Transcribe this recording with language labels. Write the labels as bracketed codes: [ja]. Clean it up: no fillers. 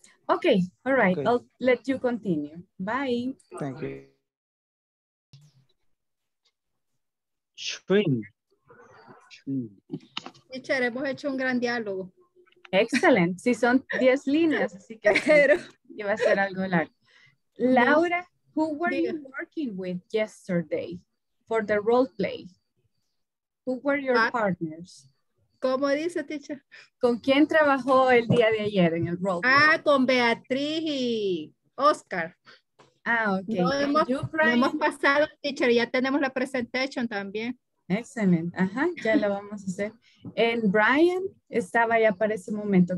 [en] Okay, all right. Okay. I'll let you continue. Bye. Thank you. Shrimp. [es] Teacher, hemos hecho un gran diálogo. [en] Excellent. [es] Sí, son 10 líneas, así que pero iba a ser algo largo. [en] Laura, who were you working with yesterday for the role play? Who were your partners? [es] ¿Cómo dice, teacher? ¿Con quién trabajó el día de ayer en el role play? Ah, con Beatriz y Oscar. Ah, ok. Hemos pasado, teacher, ya tenemos la presentación también. Excelente. Ajá, ya la vamos a hacer. El Brian estaba ya para ese momento.